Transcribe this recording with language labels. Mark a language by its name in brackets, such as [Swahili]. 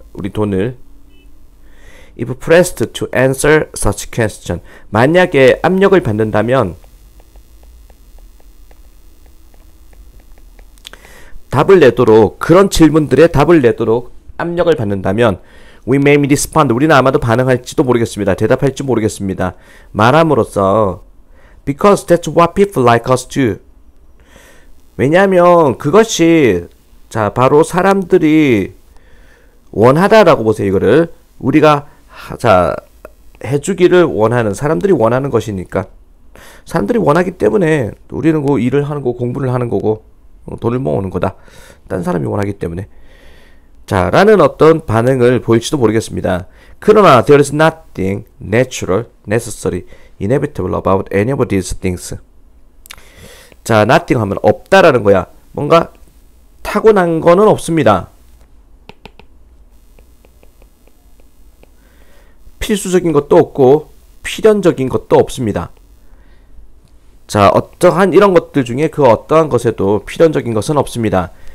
[Korean] 우리 돈을. [English] If pressed to answer such question. [Korean] 만약에 압력을 받는다면 답을 내도록, 그런 질문들에 답을 내도록 압력을 받는다면 [English] we may respond. [Korean] 우리는 아마도 반응할지도 모르겠습니다. 대답할지 모르겠습니다. 말함으로써 [English] because that's what people like us do. [Korean] 왜냐하면 그것이 자, 바로 사람들이 원하다라고 보세요, 이거를. 우리가, 자, 해주기를 원하는, 사람들이 원하는 것이니까. 사람들이 원하기 때문에 우리는 그 일을 하는 거, 공부를 하는 거고, 돈을 모으는 거다. 딴 사람이 원하기 때문에. 자, 라는 어떤 반응을 보일지도 모르겠습니다. 그러나, [English] there is nothing natural, necessary, inevitable about any of these things. [Korean] 자, nothing 하면 없다라는 거야. 뭔가, 타고난 거는 없습니다. 필수적인 것도 없고, 필연적인 것도 없습니다. 자, 어떠한 이런 것들 중에 그 어떠한 것에도 필연적인 것은 없습니다.